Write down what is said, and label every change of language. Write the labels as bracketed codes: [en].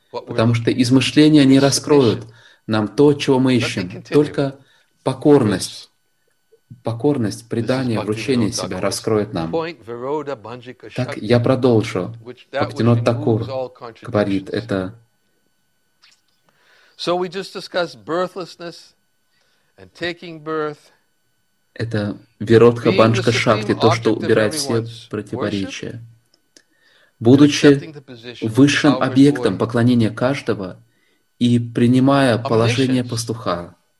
[ru] Потому что измышления не раскроют нам то, чего мы ищем. Только покорность, предание, вручение себя раскроет нам. Так, я продолжу. Бхактивинод Тхакур говорит это. [en] So we just discussed birthlessness and taking birth. [ru] Это Виродха Банджика Шакти, то, что убирает все противоречия. Будучи высшим объектом поклонения каждого и принимая положение пастуха.